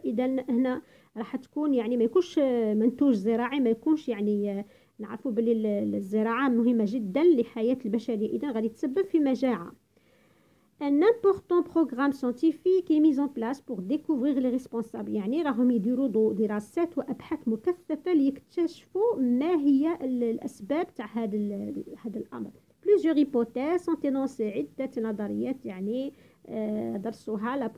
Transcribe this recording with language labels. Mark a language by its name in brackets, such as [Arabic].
[Arabic] اذا هنا راح تكون يعني ما يكونش منتوج زراعي، ما يكونش يعني نعرفوا بلي الزراعه مهمه جدا لحياه البشريه، اذا غادي تسبب في مجاعه. [French] Un important programme scientifique est mis en place pour découvrir les responsables. [Arabic] يعني راهم يديروا دراسات وابحاث مكثفه ليكتشفوا ما هي الاسباب تاع هذا الامر. [French] Plusieurs hypothèses ont énoncé [Arabic] عده نظريات، يعني درسوها.